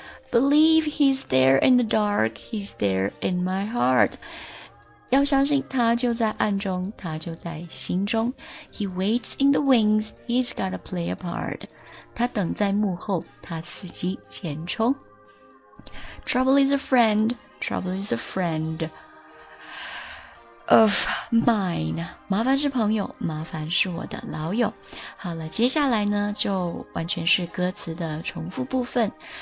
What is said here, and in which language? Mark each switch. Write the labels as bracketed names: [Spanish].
[English] Believe he's there in the dark, he's there in my heart. [Chinese] 要相信他就在暗中，他就在心中。 [English] He waits in the wings, he's gotta play a part. [Chinese] 他等在幕后，他伺机前冲。 [English] Trouble is a friend of mine. [Chinese] 麻烦是朋友，麻烦是我的老友。好了，接下来呢，就完全是歌词的重复部分。